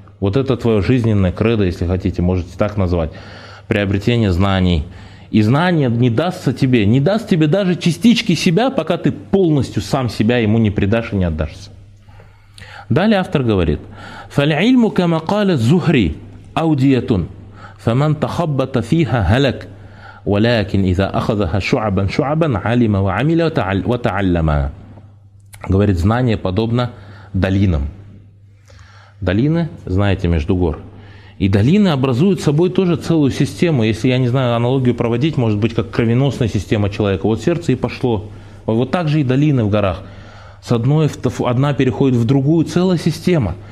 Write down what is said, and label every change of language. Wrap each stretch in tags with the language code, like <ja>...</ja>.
<ru>Вот это твое жизненное кредо, если хотите, можете так назвать, приобретение знаний. И знание не дастся тебе, не даст тебе даже частички себя, пока ты полностью сам себя ему не предашь и не отдашься. Далее автор говорит,</ru> <ar>«Фаль-ильму кама каля зухри аудиятун, фаман тахаббата фиха халак». ولكن اذا اخذها شعبا شعبا علم وعمل وتعلم.</ar> <ru>Говорит, знание подобно долинам. Долины, знаете, между гор. И долины образуют собой тоже целую систему. Если я не знаю аналогию проводить, может быть, как кровеносная система человека. Вот сердце и пошло. Вот так же и долины в горах. С одной одна переходит в другую, целая система.</ru>